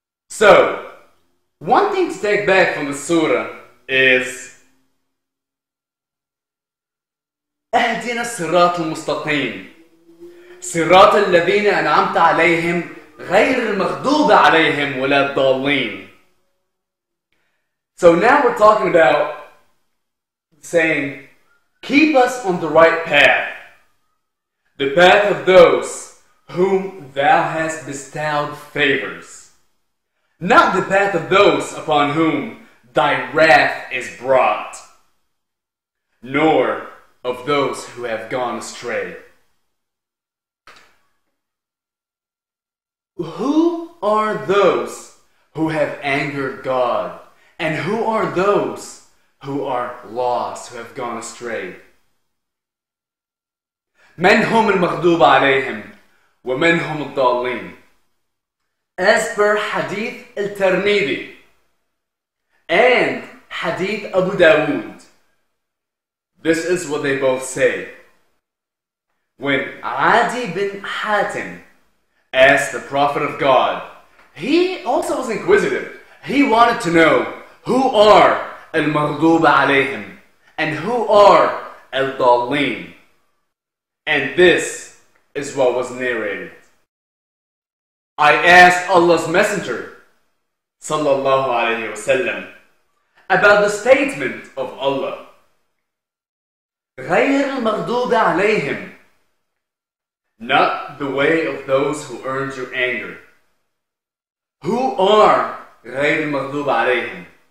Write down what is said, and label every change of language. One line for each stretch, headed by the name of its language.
English: So, one thing to take back from the surah is
Arabic: أهدنا الصراط المستقيم صراط الذين أنعمت عليهم غير المغضوب عليهم ولا الضالين.
English: So now we're talking about saying, keep us on the right path, the path of those whom thou hast bestowed favors, not the path of those upon whom thy wrath is brought, nor of those who have gone astray. Who are those who have angered God? And who are those who are lost, who have gone astray?
Arabic: من هم المغضوب عليهم ومن هم الضالين.
English: As per Hadith al-Tirmidhi and Hadith Abu Dawood, this is what they both say. When Adi bin Hatim asked the Prophet of God, he also was inquisitive. He wanted to know, who are
Arabic: المغضوب عليهم
English: and who are
Arabic: الضالين?
English: And this is what was narrated. I asked Allah's Messenger sallallahu alayhi wasallam about the statement of Allah
Arabic: غير المغضوب عليهم,
English: not the way of those who earned your anger. Who are
Arabic: غير المغضوب عليهم?